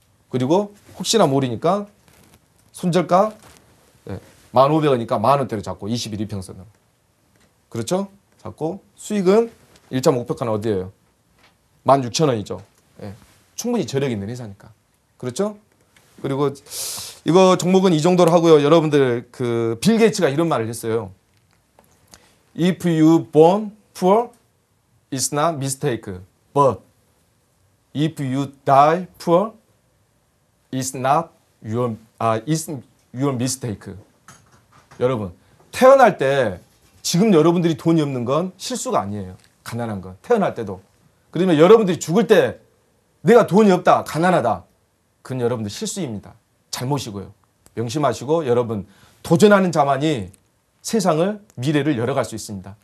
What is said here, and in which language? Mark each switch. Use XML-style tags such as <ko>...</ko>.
<ko>그리고 혹시나 모르니까 손절가 1,500원이니까 10,000원대로 잡고 21평선으로. 그렇죠? 잡고 수익은 1차 목표가는 어디예요? 16,000원이죠. 예. 충분히 저력 있는 회사니까. 그렇죠? 그리고 이거 종목은 이 정도로 하고요. 여러분들 그 빌 게이츠가 이런 말을 했어요.</ko> <en>If you born poor, it's not mistake. But if you die poor, it's not your, it's your mistake.</en> <ko>여러분, 태어날 때 지금 여러분들이 돈이 없는 건 실수가 아니에요. 가난한 건. 태어날 때도. 그러면 여러분들이 죽을 때 내가 돈이 없다, 가난하다. 그건 여러분들 실수입니다. 잘못이고요. 명심하시고 여러분 도전하는 자만이 세상을 미래를 열어갈 수 있습니다.</ko>